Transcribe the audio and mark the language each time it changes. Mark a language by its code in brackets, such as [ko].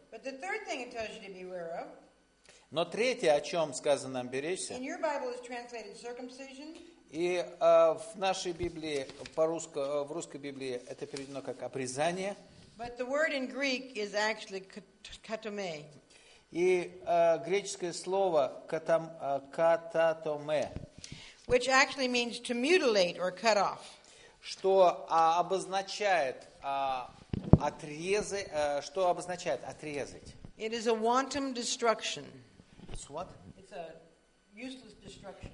[en] But the third thing it tells you to beware of. [ru] Но третье, о чем сказано нам беречься. [en] In your Bible is translated circumcision. [ru] И в нашей Библии, в русской Библии, это переведено как обрезание. [en] But the word in Greek is actually katome. [ru] И греческое слово кататоме, [en] which actually means to mutilate or cut off. [ru] Что обозначает что обозначает отрезать? [en] It is a wanton destruction. It's what? It's a useless destruction.